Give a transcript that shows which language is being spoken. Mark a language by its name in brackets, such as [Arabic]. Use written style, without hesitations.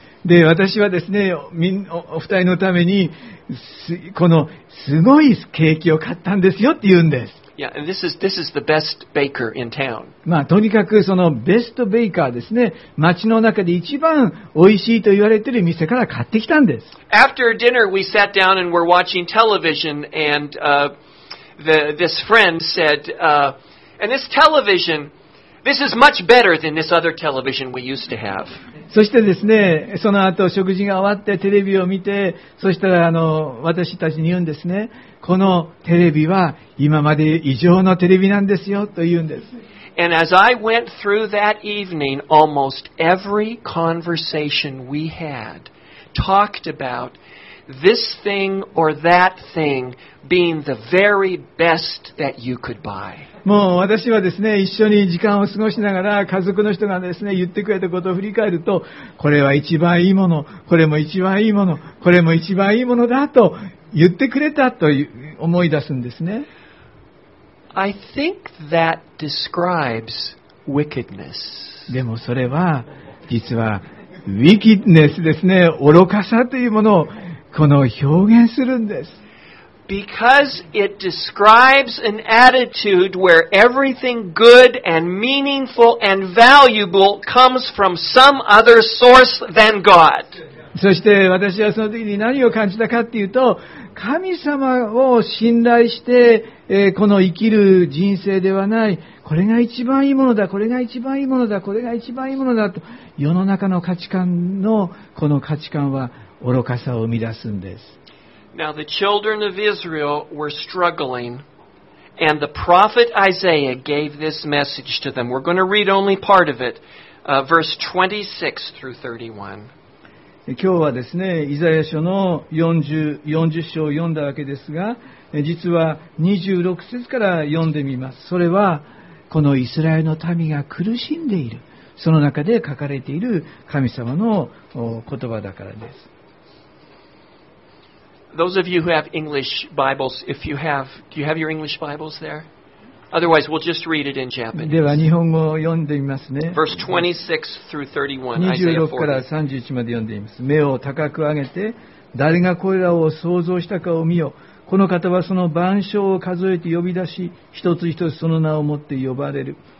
[Japanese] で、私はですね、お二人のためにこのすごいケーキを買ったんですよって言うんです。 [English] Yeah, and this is the best baker in town. [Japanese] まあ、とにかくそのベストベーカーですね。町の中で一番おいしいと言われている店から買ってきたんです。 [English] After dinner, we sat down and were watching television, and this friend said, and this television, this is much better than this other television we used to have. [Japanese] そしてですね、その後食事が終わってテレビを見て、そしたら私たちに言うんですね。このテレビは今まで以上のテレビなんですよと言うんです。 [English] And as I went through that evening, almost every conversation we had talked about this thing or that thing being the very best that you could buy. [Japanese] もう私はですね、一緒に時間を過ごしながら家族の人がですね、言ってくれたことを振り返ると、これは一番いいもの、これも一番いいもの、これも一番いいものだと言ってくれたと思い出すんですね。 [English] I think that describes wickedness. [Japanese] でもそれは実は wickedness ですね。愚かさというものをこの表現するんです。 [English] Because it describes an attitude where everything good and meaningful and valuable comes from some other source than God. [Japanese] そして私はその時に何を感じたかっていうと、神様を信頼して、この生きる人生ではない、これが一番いいものだ、これが一番いいものだ、これが一番いいものだと、世の中の価値観のこの価値観は愚かさを生み出すんです。 [English] Now the children of Israel were struggling, and the prophet Isaiah gave this message to them. We're going to read only part of it, verse 26 through 31. [Japanese] 今日はですね、イザヤ書の 40章を読んだわけですが、実は26節から読んでみます。それはこのイスラエルの民が苦しんでいる、その中で書かれている神様の言葉だからです。 [English] Those of you who have English Bibles, if you have, do you have your English Bibles there? Otherwise, we'll just read it in Japanese. [Japanese] では日本語を読んでみますね。 [English] Verse 26 through 31, Isaiah 40. 26 [Japanese] から31まで読んでみます。目を高く上げて、誰がこれらを創造したかを見よ。この方はその万象を数えて呼び出し、一つ一つその名を持って呼ばれる。